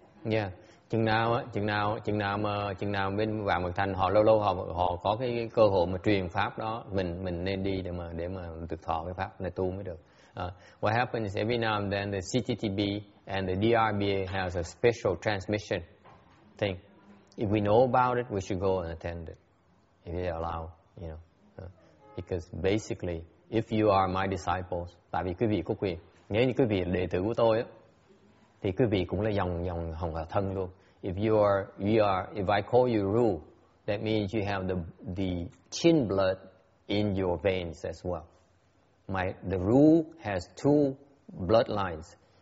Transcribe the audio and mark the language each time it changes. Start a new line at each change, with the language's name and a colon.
Vietnamese: Yeah. Chừng nào bên Vạn Mật Thành họ lâu lâu họ có cái cơ hội mà truyền pháp đó, mình nên đi để mà được thọ cái pháp này tu mới được.
English: What happens is every now and then the CTTB and the DRBA has a special transmission thing. If we know about it, we should go and attend it. If they allow, you know. Because basically, if you are my disciples,
Vietnamese: tại vì quý vị có quyền, nếu như quý vị đệ tử của tôi á, thì quý vị cũng là dòng hồng thân luôn.
English: If I call you Ru, that means you have the Qin blood in your veins as well. The Ru has two bloodlines.